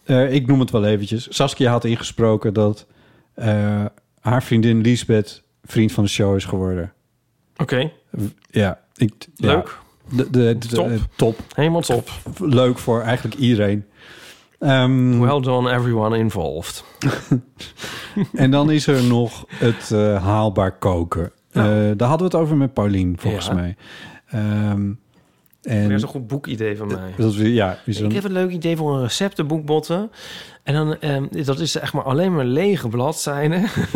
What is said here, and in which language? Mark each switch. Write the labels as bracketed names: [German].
[Dutch] Ik noem het wel eventjes. Saskia had ingesproken dat haar vriendin Lisbeth vriend van de show is geworden. Oké. Okay. Ja. Leuk. Top. Helemaal top. Leuk voor eigenlijk iedereen. [English] Well done, everyone involved. [Dutch] En dan is er nog het haalbaar koken. Ja. Daar hadden we het over met Paulien, volgens mij. En dat is een goed boekidee van mij. Ik heb een leuk idee voor een receptenboek, Botte. En dan, dat is echt maar alleen maar lege bladzijden.